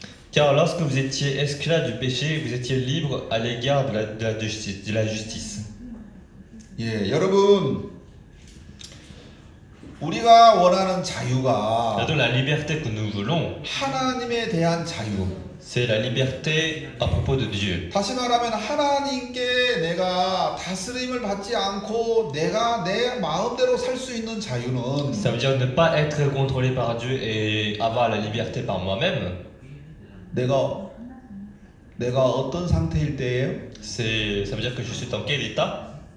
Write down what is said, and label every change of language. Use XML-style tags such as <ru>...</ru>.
<fr>Car lorsque vous étiez esclaves du péché, vous étiez libres à l'égard de la justice.</fr> <ko>Yeah, 여러분. 우리가 원하는 자유가.</ko> <fr>C'est la liberté que nous voulons.</fr> <ko>하나님에 대한 자유.</ko> <fr>C'est la liberté à propos de Dieu.</fr> <ko>다시 말하면 하나님께 내가 다스림을 받지 않고 내가 내 마음대로 살 수 있는 자유는.</ko> <fr>Ça veut dire ne pas être contrôlé par Dieu et avoir la liberté par moi-même.</fr> <ko>내가 어떤 상태일 때예요?</ko> <fr>C'est ça veut dire que je suis dans quel état?</fr>